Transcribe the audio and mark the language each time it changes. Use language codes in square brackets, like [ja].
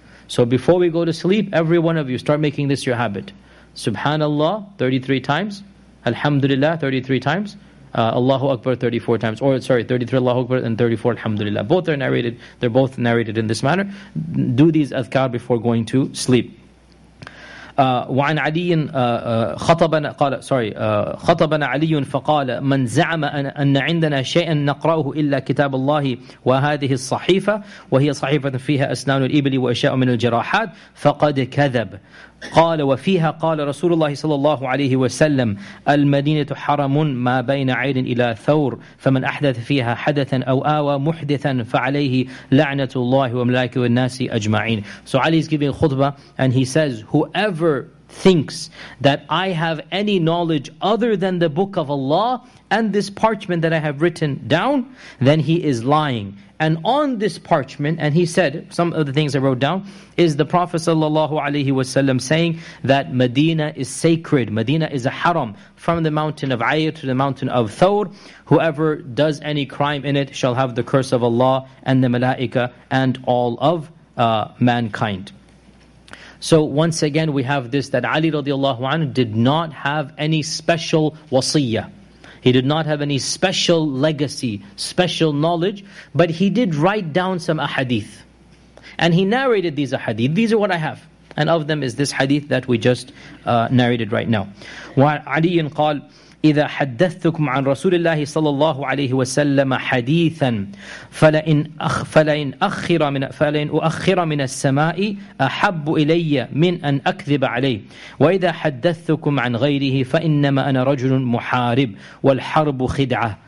[en] So before we go to sleep, every one of you start making this your habit. Subhanallah 33 times, Alhamdulillah 33 times, Allahu Akbar 34 times, or sorry, 33 Allahu Akbar and 34 Alhamdulillah. Both are narrated, they're both narrated in this manner. Do these adhkar before going to sleep. [ar] وعن علي خطبنا قال سوري خطبنا علي فقال من زعم أن عندنا شيئا نقرأه إلا كتاب الله وهذه الصحيفة وهي صحيفة فيها أسنان الإبل وأشياء من الجراحات فقد كذب قال وفيها قال رسول الله صلى الله عليه وسلم المدينة حرم ما بين عين إلى ثور فمن أحدث فيها حدثا أو آوى محدثا فعليه لعنة الله وملائكته والناس أجمعين. [en] So Ali is giving khutbah and he says, whoever thinks that I have any knowledge other than the book of Allah and this parchment that I have written down, then he is lying. And on this parchment, and he said, some of the things I wrote down, is the Prophet [ar] sallallahu alaihi wasallam [en] saying that Medina is sacred, Medina is a haram, from the mountain of Ayr to the mountain of Thawr, whoever does any crime in it shall have the curse of Allah and the Malaika and all of mankind. So once again we have this, that Ali [ar] radiallahu anhu [en] did not have any special wasiyah. He did not have any special legacy, special knowledge, but he did write down some ahadith. And he narrated these ahadith. These are what I have. And of them is this hadith that we just narrated right now. [ar] وعلي قال إذا حدثتكم عن رسول الله صلى الله عليه وسلم حديثا فلئن أخر من السماء أحب إلي من أن أكذب عليه، وإذا حدثتكم عن غيره فإنما أنا رجل محارب والحرب خدعة.